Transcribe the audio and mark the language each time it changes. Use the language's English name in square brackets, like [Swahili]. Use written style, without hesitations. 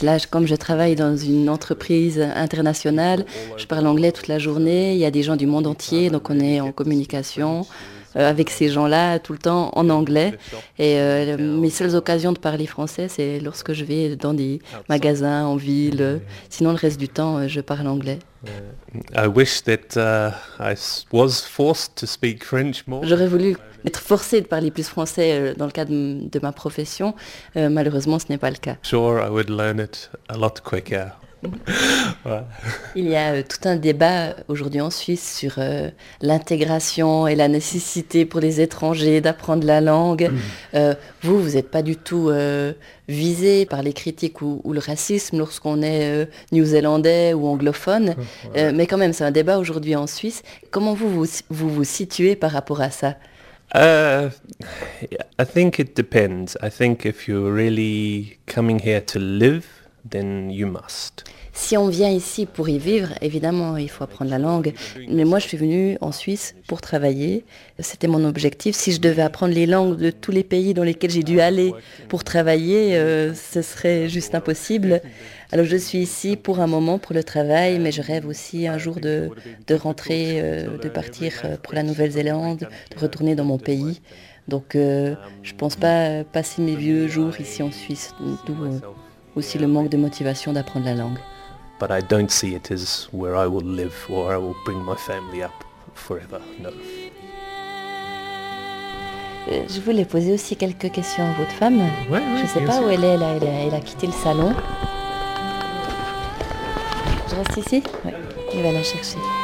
[French] Là, comme je travaille dans une entreprise internationale, je parle anglais toute la journée, il y a des gens du monde entier, donc on est en communication avec ces gens-là tout le temps en anglais. Et mes seules occasions de parler français, c'est lorsque je vais dans des magasins en ville. Sinon, le reste du temps, je parle anglais. [English] I wish that I was forced to speak French more, [French] J'aurais [English] but at [French] voulu [English] the [French] être [English] moment. [French] forcée de parler plus français dans le cadre de ma profession. Malheureusement, ce n'est pas le cas. [English] Sure, I would learn it a lot quicker. [French] Il y a tout un débat aujourd'hui en Suisse sur l'intégration et la nécessité pour les étrangers d'apprendre la langue. Vous, vous n'êtes pas du tout visé par les critiques ou le racisme lorsqu'on est néo-zélandais ou anglophone. Mais quand même, c'est un débat aujourd'hui en Suisse. Comment vous vous situez par rapport à ça? [English] I think it depends. I think if you're really coming here to live, then you must. [French] Si on vient ici pour y vivre, évidemment, il faut apprendre la langue. Mais moi, je suis venue en Suisse pour travailler. C'était mon objectif. Si je devais apprendre les langues de tous les pays dans lesquels j'ai dû aller pour travailler, ce serait juste impossible. Alors, je suis ici pour un moment, pour le travail, mais je rêve aussi un jour de rentrer, de partir pour la Nouvelle-Zélande, de retourner dans mon pays. Donc, je ne pense pas passer mes vieux jours ici en Suisse, d'où aussi le manque de motivation d'apprendre la langue. [English] But I don't see it as where I will live or I will bring my family up forever. [French] Je voulais poser aussi quelques questions à votre femme. Je ne sais Bien pas où sûr. elle est là. Elle a quitté le salon. Je reste ici? Oui, il va la chercher.